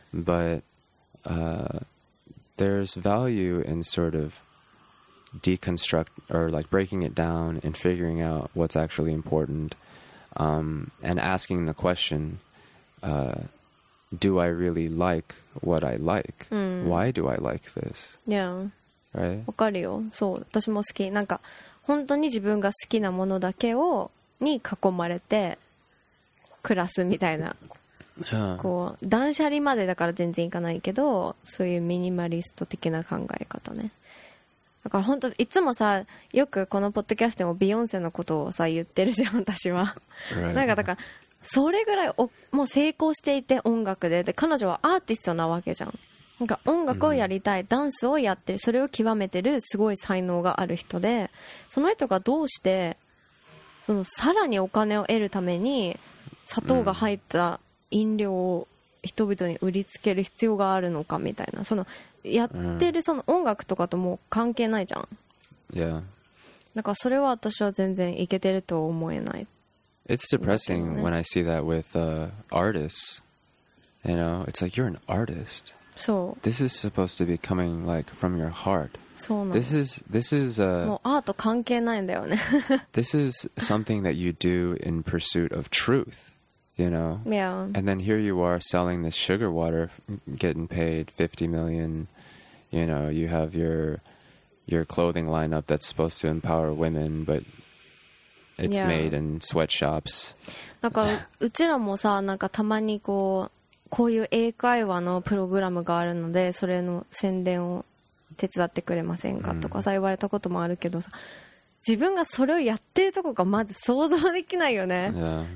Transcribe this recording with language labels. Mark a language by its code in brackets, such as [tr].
[en] But there's value in sort of deconstruct or like breaking it down and figuring out what's actually important, and asking the question, do I really like what I like? Why do I like this? Yeah. Right? [ja] 分かるよ。そう、私も好き。なんか本当に自分が好きなものだけをに囲まれて暮らすみたいな。こう断捨離までだから全然いかないけど、そういうミニマリスト的な考え方ね。だから本当いつもさ、よくこのポッドキャストでもビヨンセのことをさ言ってるじゃん、私は。 [en] Right. [ja] なんかだからそれぐらいもう成功していて、音楽で、で彼女はアーティストなわけじゃん。なんか音楽をやりたい、ダンスをやってる、それを極めてるすごい才能がある人で、その人がどうしてそのさらにお金を得るために砂糖が入った飲料を人々に売りつける必要があるのかみたいな、そのやってるその音楽とかともう関係ないじゃん。いや、なんかそれは私は全然イケてると思えない。 [en] It's depressing when I see that with artists. You know, it's like you're an artist. So this is supposed to be coming like from your heart. [ja] そうなの。 [en] This is [ja] もうアート関係ないんだよね。 [en] This is something that you do in pursuit of truth. You know? Yeah. And then here you are selling this sugar water, getting paid $50 million. You know, you have your clothing lineup that's supposed to empower women, but it's made in sweatshops. [ja] だからうちらもさ、なんかたまにこういう英会話のプログラムがあるので、それの宣伝を手伝ってくれませんかとかさ、言われたこともあるけどさ、自分がそれをやってるとこがまず想像できないよね。 [en] Yeah.